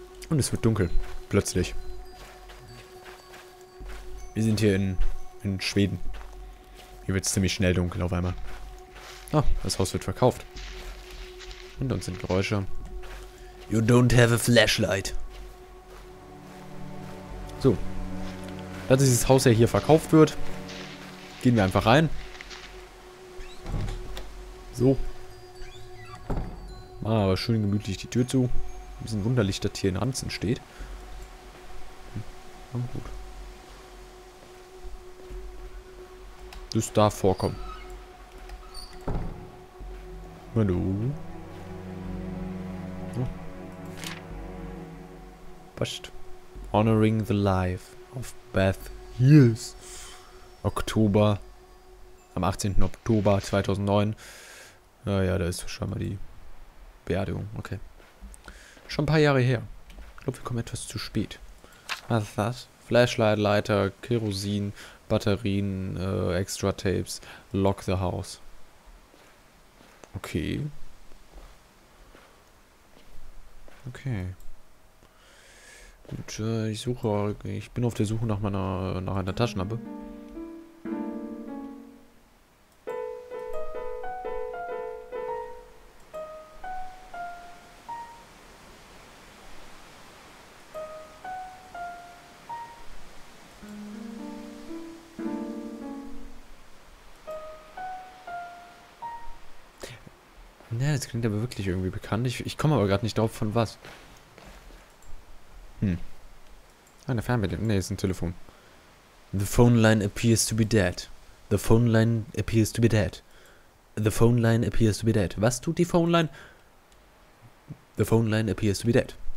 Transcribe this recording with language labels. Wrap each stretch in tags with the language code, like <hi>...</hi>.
<de>Und es wird dunkel. Plötzlich. Wir sind hier in Schweden. Hier wird es ziemlich schnell dunkel auf einmal. Ah, das Haus wird verkauft. Und uns sind Geräusche.</de> <en>You don't have a flashlight.</en> <de>So, da dieses Haus ja hier verkauft wird, gehen wir einfach rein. So. Machen aber schön gemütlich die Tür zu. Ein bisschen wunderlich, dass hier ein Ranzen steht. Na gut. Das darf vorkommen. Hallo. So. Passt.</de> <en>Honoring the life of Beth Hills.</en> <de>Oktober. Am 18. Oktober 2009. Naja, da ist schon mal die Beerdigung. Okay. Schon ein paar Jahre her. Ich glaube, wir kommen etwas zu spät. Was ist das? Flashlight, Leiter, Kerosin, Batterien, Extra Tapes,</de> <en>Lock the House.</en> <de>Okay. Okay. Gut, ich bin auf der Suche nach einer Taschenlampe. Na, das klingt aber wirklich irgendwie bekannt. Ich komme aber gerade nicht drauf, von was. Eine Fernbedienung. Ne, ist ein Telefon.</de> <en>The phone line appears to be dead. The phone line appears to be dead. The phone line appears to be dead.</en> <de>Was tut die</de> <en>phone line? The phone line appears to be dead.</en>